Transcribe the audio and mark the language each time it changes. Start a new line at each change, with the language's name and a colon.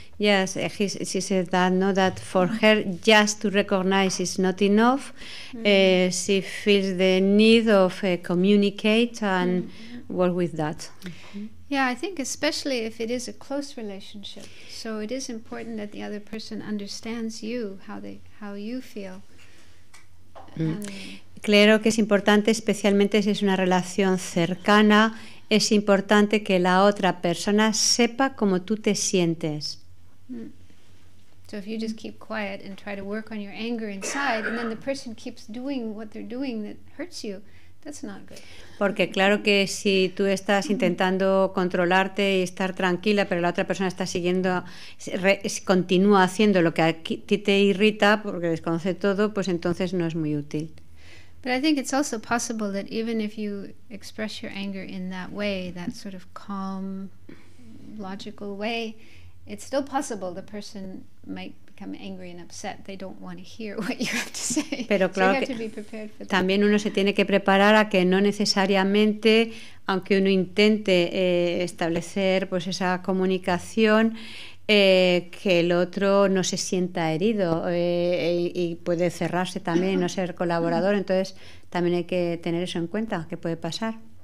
English: Yes, she said that, no, that for her, just to recognize is not enough. She feels the need of communicate and work with that. Yeah, I think especially if it is a close relationship. So it is important that the other person understands you, how you feel.
Spanish: Claro que es importante, especialmente si es una relación cercana, es importante que la otra persona sepa cómo tú te sientes.
English: So if you just keep quiet and try to work on your anger inside, and then the person keeps doing what they're doing that hurts you, that's not good.
Spanish: Porque claro que si tú estás intentando controlarte y estar tranquila, pero la otra persona está siguiendo, continúa haciendo lo que a ti te irrita porque desconoce todo, pues entonces no es muy útil.
English: But I think it's also possible that even if you express your anger in that way, that sort of calm, logical way, it's still possible the person might become angry and upset. They don't want to hear what you have to say.
Spanish: Pero claro,
English: so you have to be prepared for that.
Spanish: También uno se tiene que preparar a que no necesariamente, aunque uno intente establecer pues esa comunicación, Que el otro no se sienta herido y puede cerrarse también, no ser colaborador. Entonces también hay que tener eso en cuenta, que puede pasar.